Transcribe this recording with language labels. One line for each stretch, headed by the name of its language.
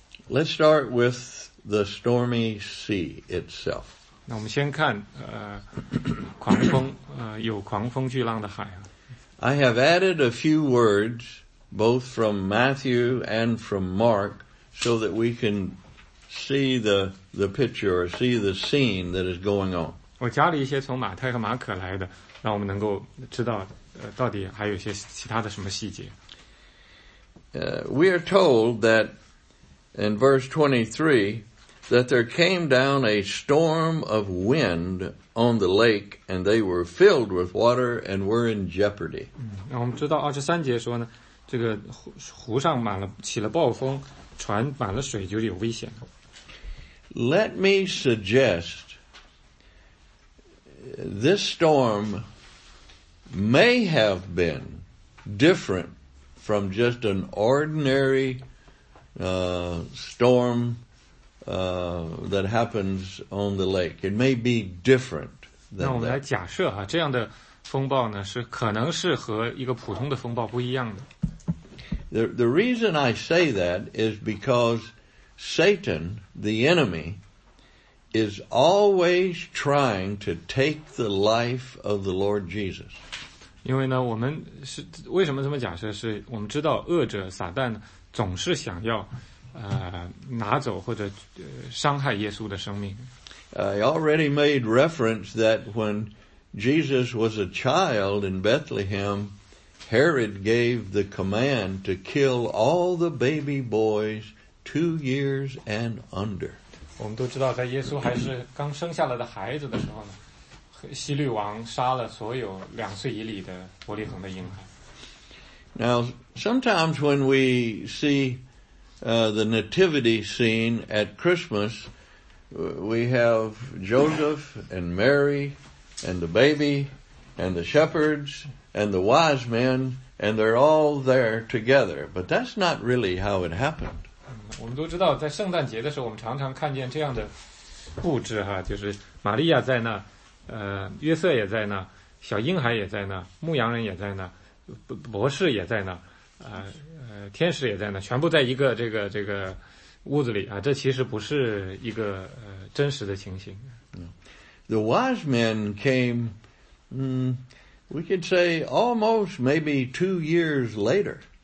English: Let's start with the stormy sea itself.
Chinese: 那我们先看狂风，有狂风巨浪的海。
English: I have added a few words both from Matthew and from Mark so that we can see the picture or see the scene that is going on.
Chinese: 我加了一些从马太和马可来的，让我们能够知道到底还有些其他的什么细节。
English: We are told that in verse 23 that there came down a storm of wind on the lake and they were filled with water and were in jeopardy.
Chinese: 我们知道23节说呢，这个湖上满了起了暴风，船满了水就有危险。
English: Let me suggest this storm may have been different from just an ordinary storm that happens on the lake. It may be different than that.
Chinese: 那我们来假设哈，这样的风暴呢，是可能是和一个普通的风暴不一样的。
English: The reason I say that is because Satan, the enemy, is always trying to take the life of the Lord Jesus.
Chinese: 因为呢，我们是为什么这么假设？是我们知道恶者撒旦总是想要拿走或者伤害耶稣的生命。
English: I already made reference that when Jesus was a child in Bethlehem, Herod gave the command to kill all the baby boys 2 years and under.
Chinese: 我们都知道，在耶稣还是刚生下来的孩子的时候呢，希律王杀了所有两岁以里的伯利恒的婴孩。
English: Now, sometimes when we see the nativity scene at Christmas, we have Joseph and Mary and the baby and the shepherds and the wise men, and they're all there together. But that's not really how it happened.
Chinese: 我们都知道，在圣诞节的时候，我们常常看见这样的布置哈，就是玛利亚在那，约瑟也在那，小婴孩也在那，牧羊人也在那，博士也在那，天使也在那，全部在一个这个屋子里啊。这其实不是一个真实的情形。
English: The wise men came, we could say almost maybe 2 years later.